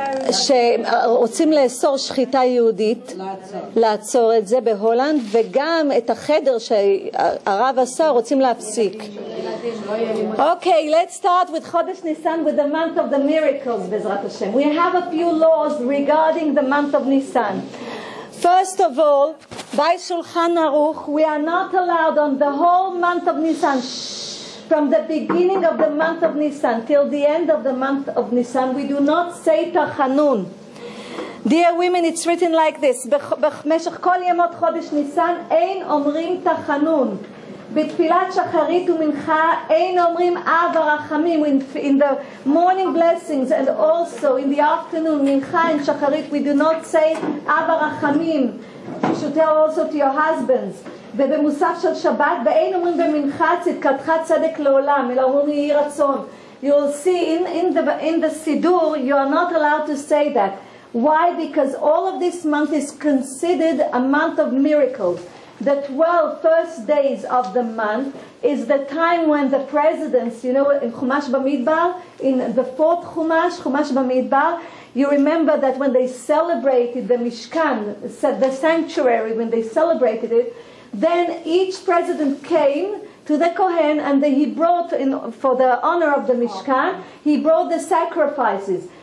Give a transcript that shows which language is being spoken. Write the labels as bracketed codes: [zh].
[he] שרוצים לאסור שחיטה יהודית, לעצור את זה בהולנד, וגם את החדר שהרב עשה רוצים להפסיק. [en] Okay, let's start with Chodesh Nissan, with the month of the miracles, Bezrat Hashem. We have a few laws regarding the month of Nissan. First of all, by Shulchan Aruch, we are not allowed on the whole month of Nissan, from the beginning of the month of Nissan till the end of the month of Nissan, we do not say Tachanun. Dear women, it's written like this. [he] במשך כל ימות חודש ניסן אין אומרים תחנון. בתפילת שחרית ומנחה אין אומרים אב הרחמים. [en] In the morning blessings and also in the afternoon, מנחה and שחרית, we do not say אב הרחמים. You should tell also to your husbands. [he] ובמוסף של שבת, ואין אומרים במנחה צדקתך צדק לעולם, אלא אומרים יהי רצון. [en] You will see in the Sidur, you are not allowed to say that. Why? Because all of this month is considered a month of miracles. The 12 first days of the month is the time when the presidents, you know, in Chumash Bamidbar, in the fourth Chumash Bamidbar, you remember that when they celebrated the Mishkan, the sanctuary, when they celebrated it, then each president came to the Kohen and he brought, in for the honor of the Mishkan, he brought the sacrifices.